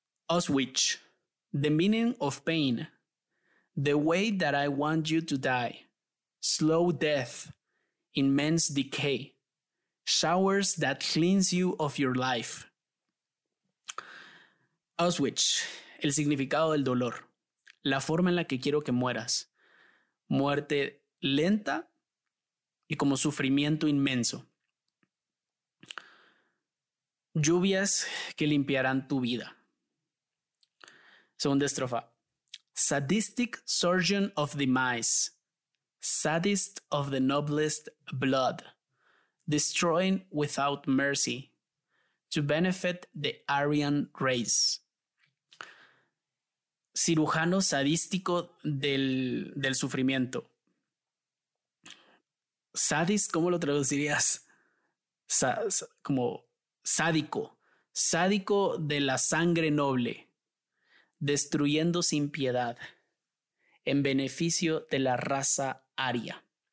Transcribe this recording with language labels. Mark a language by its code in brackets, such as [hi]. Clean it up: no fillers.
[en] Auschwitz, the meaning of pain, the way that I want you to die, slow death, immense decay, showers that cleanse you of your life. [es] Auschwitz, el significado del dolor, la forma en la que quiero que mueras, muerte lenta y como sufrimiento inmenso. Lluvias que limpiarán tu vida. Segunda estrofa. [en] Sadistic surgeon of demise. Sadist of the noblest blood. Destroying without mercy. To benefit the Aryan race. [es] Cirujano sadístico del sufrimiento. Sadist, ¿cómo lo traducirías? Como... sádico de la sangre noble, destruyendo sin piedad, en beneficio de la raza aria.